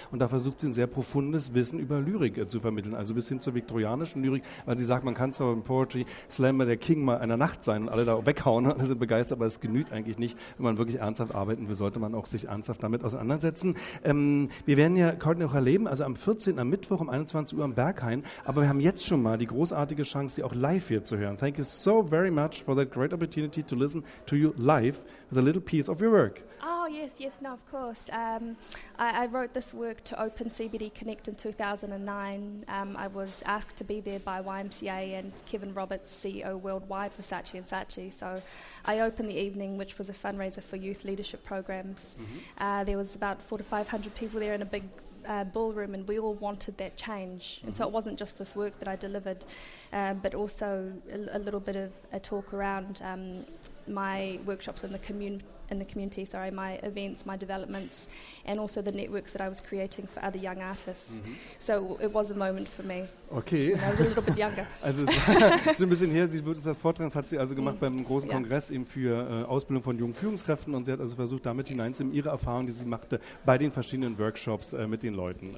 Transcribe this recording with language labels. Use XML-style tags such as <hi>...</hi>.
<de>Und da versucht sie ein sehr profundes Wissen über Lyrik zu vermitteln. Also bis hin zur viktorianischen Lyrik, weil sie sagt, man kann zwar im Poetry Slammer der King mal einer Nacht sein und alle da weghauen und alle sind begeistert, aber es genügt eigentlich nicht, wenn man wirklich ernsthaft arbeiten will, sollte man auch sich ernsthaft damit auseinandersetzen. Wir werden ja heute noch erleben, also am 14. am Mittwoch um 21 Uhr am Berghain, aber wir haben jetzt schon mal die großartige Chance, sie auch live hier zu hören.</de> <en>Thank you so very much for that great opportunity to listen to you live with a little piece of your work. Oh, yes, no, of course. I wrote this work to open CBD Connect in 2009. I was asked to be there by YMCA and Kevin Roberts, CEO worldwide for Saatchi & Saatchi. So I opened the evening, which was a fundraiser for youth leadership programs. Mm-hmm. There was about 400 to 500 people there in a big ballroom, and we all wanted that change. Mm-hmm. And so it wasn't just this work that I delivered, but also a little bit of a talk around my workshops in the community, my events, my developments, and also the networks that I was creating for other young artists. Mm-hmm. So it was a moment for me. Okay. When I was a little bit younger.</en> <de>Also es ist ein bisschen her, sie wird das Vortrag, hat sie also gemacht beim großen Kongress eben für Ausbildung von jungen Führungskräften, und sie hat also versucht, damit hineinzunehmen, ihre Erfahrung, die sie machte, bei den verschiedenen Workshops mit den Leuten.</de>